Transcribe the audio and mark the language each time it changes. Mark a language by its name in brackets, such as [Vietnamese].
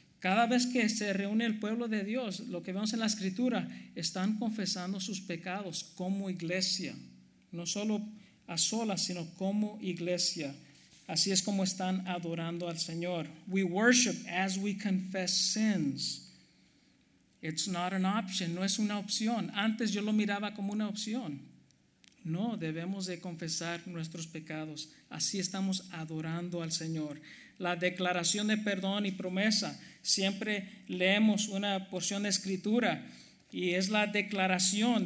[Spanish] Cada vez que se reúne el pueblo de Dios, lo que vemos en la Escritura, están confesando sus pecados como iglesia. No solo a solas, sino como iglesia. Así es como están adorando al Señor. [English] We worship as we confess sins. It's not an option, [Spanish] no es una opción. Antes yo lo miraba como una opción. No, debemos de confesar nuestros pecados. Así estamos adorando al Señor. La declaración de perdón y promesa. Siempre leemos una porción de Escritura y es la declaración.